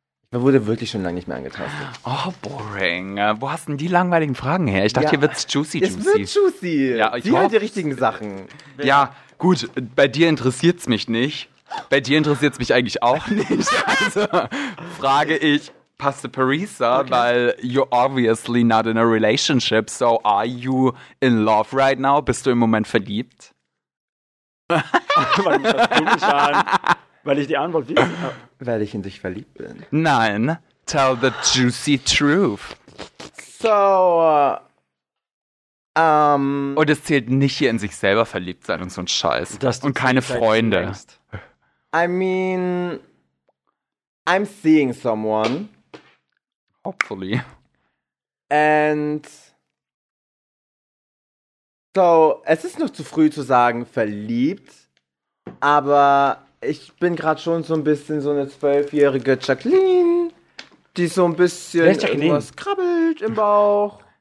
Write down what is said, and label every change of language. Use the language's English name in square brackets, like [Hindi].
[German] Man wurde wirklich schon lange nicht mehr angetastet. [English] Oh, boring. [German] Wo hast denn die langweiligen Fragen her? Ich dachte, hier wird's juicy. Es wird juicy. Ja, die halt die richtigen Sachen. Ja, gut, bei dir interessiert's mich nicht. Bei dir interessiert's mich eigentlich auch nicht. Also, frage ich. Pastor Parisa, okay. [English] Weil you're obviously not in a relationship, so are you in love right now? [German] Bist du im Moment verliebt? Weil ich das komisch an, weil ich die Antwort wissen habe. Weil ich in dich verliebt bin. Nein, [English] tell the juicy truth. [German] So, und es zählt nicht hier in sich selber verliebt sein und so ein Scheiß. Dass und keine Freunde. [English] I mean, I'm seeing someone. Hopefully. And so, [German] es ist noch zu früh zu sagen, verliebt, aber ich bin gerade schon so ein bisschen so eine 12-jährige Jacqueline, die so ein bisschen irgendwas krabbelt im Bauch.